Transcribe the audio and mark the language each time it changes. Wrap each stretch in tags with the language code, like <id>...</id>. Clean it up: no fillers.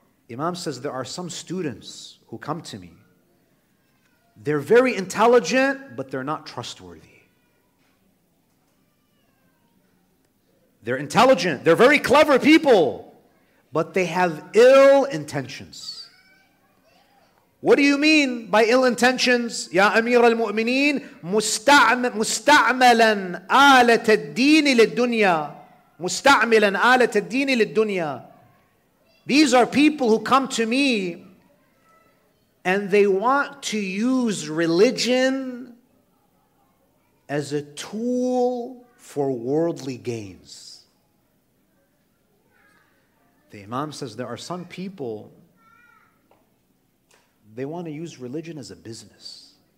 <en>Imam says, there are some students who come to me. They're very intelligent, but they're not trustworthy. They're intelligent, they're very clever people, but they have ill intentions. What do you mean by ill intentions?</en> <ar>Ya Amir al-Mu'mineen, مستعملاً آلة الدين للدنيا. مستعملاً آلة الدين للدنيا.</ar> <en>These are people who come to me and they want to use religion as a tool for worldly gains. The Imam says there are some people, they want to use religion as a business.</en>